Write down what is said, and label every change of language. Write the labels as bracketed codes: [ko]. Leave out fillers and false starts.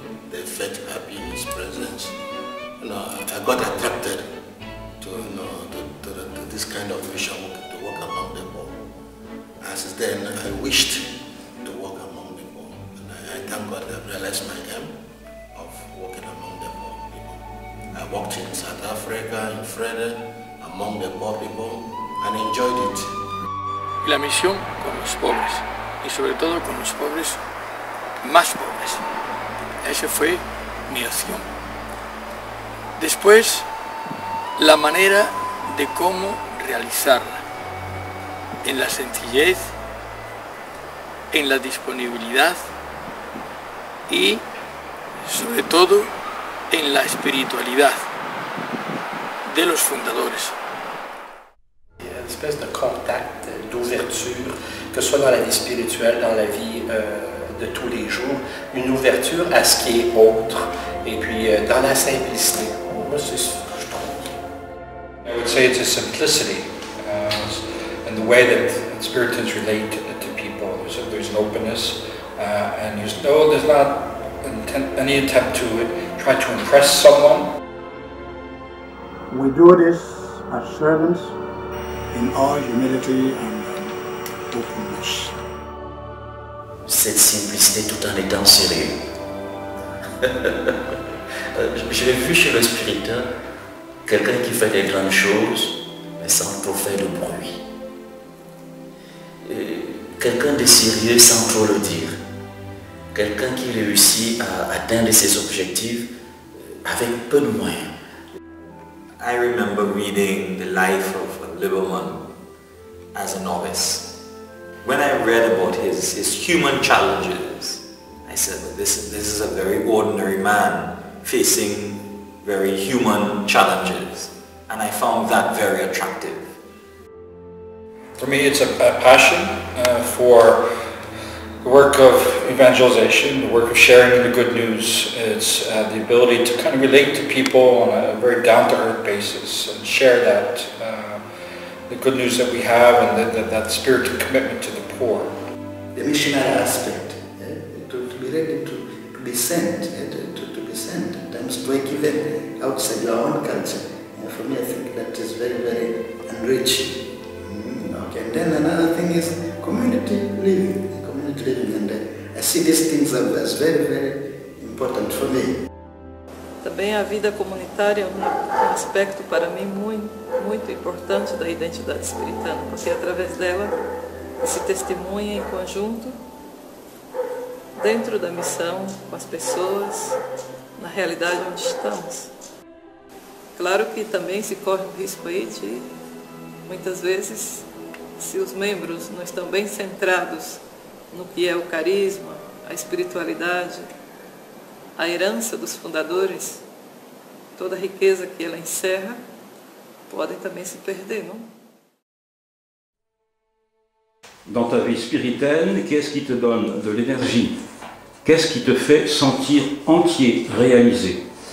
[en] They felt happy in his presence. You know, I got attracted to, you know, to this kind of mission work, to work among the poor. As then, I wished to work among the poor. And I thank God I realized my aim of working among the poor people. I worked in South Africa, in Freire, among the poor people, and enjoyed it. [es] La misión con los pobres, y sobre todo con los pobres, más pobres. Esa fue mi acción. Después, la manera de cómo realizarla. En la sencillez, en la disponibilidad y, sobre todo, en la espiritualidad de los fundadores. Una especie de contacto, de apertura, que sea en la vida espiritual, en la vida de todos los días, una apertura a lo que es otro, y luego en la simplicidad. [en] I would say it's a simplicity in the way that Spiritans relate to people. There's an openness and there's not any attempt to try to impress someone. We do this as servants in all humility and openness. [fr] Cette simplicité tout en étant sérieux. Je l'ai vu chez le spiritain, quelqu'un qui fait des grandes choses, mais sans trop faire de bruit. Quelqu'un de sérieux sans trop le dire. Quelqu'un qui réussit à atteindre ses objectifs avec peu de moyens. [en] I remember reading the life of Liberman as a novice. When I read about his human challenges, I said, this is a very ordinary man facing very human challenges, and I found that very attractive. For me, it's a passion for the work of evangelization, the work of sharing the good news. It's the ability to kind of relate to people on a very down-to-earth basis and share that, the good news that we have, and that spirit of commitment to the poor. The missionary aspect, to be ready to be sent, to be sent. Break even outside your own culture. And for me, I think that is very, very enriching. Okay. And then another thing is community living. Community living, and I see these things as very, very important for me. [pt] Também a vida comunitária é um aspecto para mim muito, muito importante da identidade espiritana, porque através dela se testemunha em conjunto dentro da missão com as pessoas. Na realidade onde estamos. Claro que também se corre o risco aí de, muitas vezes, se os membros não estão bem centrados no que é o carisma, a espiritualidade, a herança dos fundadores, toda a riqueza que ela encerra, podem também se perder, não? [fr] Dans ta vie spirituelle, qu'est-ce qui te donne de l'énergie? Qu'est-ce qui te fait sentir entier, réalisé?